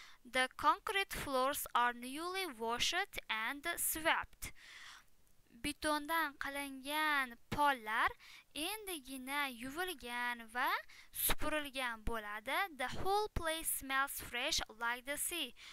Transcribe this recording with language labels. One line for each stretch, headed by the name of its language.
English: The concrete floors are newly washed and swept.
Uzbek: Betondan qilingan pollar endi yine yuvilgan va supurilgan bo'ladi.
English: The whole place smells fresh like the sea.